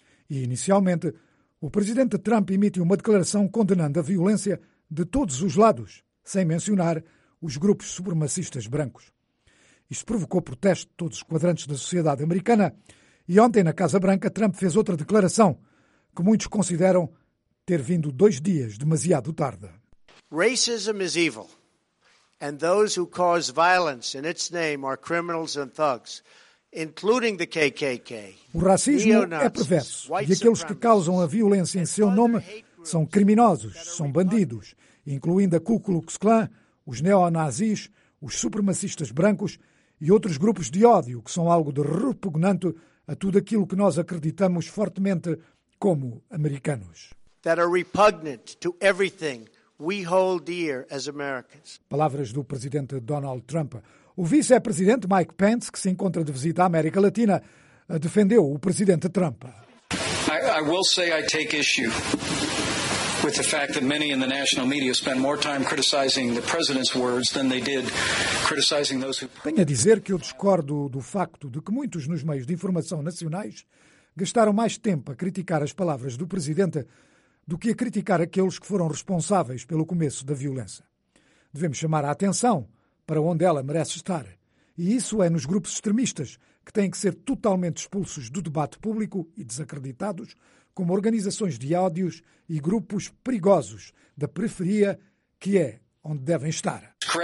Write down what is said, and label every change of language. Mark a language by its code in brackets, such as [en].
[pt] E, inicialmente, o presidente Trump emitiu uma declaração condenando a violência de todos os lados, sem mencionar os grupos supremacistas brancos. Isto provocou protesto de todos os quadrantes da sociedade americana e ontem, na Casa Branca, Trump fez outra declaração que muitos consideram ter vindo 2 dias demasiado tarde. [en] Racism is evil, and those who cause violence in its name are criminals and thugs, including the KKK. [pt] O racismo é perverso e aqueles que causam a violência em seu nome são criminosos, são bandidos, incluindo a Ku Klux Klan, os neonazis, os supremacistas brancos e outros grupos de ódio, que são algo de repugnante a tudo aquilo que nós acreditamos fortemente como americanos. [en] That are repugnant to everything we hold dear as Americans. [pt] Palavras do presidente Donald Trump. O vice-presidente Mike Pence, que se encontra de visita à América Latina, defendeu o presidente Trump. [en] I will say I take issue with the fact that many in the national media spend more time criticizing the president's words than they did criticizing those who... [pt] Tenho a dizer que eu discordo do facto de que muitos nos meios de informação nacionais gastaram mais tempo a criticar as palavras do presidente do que a criticar aqueles que foram responsáveis pelo começo da violência. Devemos chamar a atenção para onde ela merece estar. E isso é nos grupos extremistas, que têm que ser totalmente expulsos do debate público e desacreditados, como organizações de ódios e grupos perigosos da periferia, que é onde devem estar.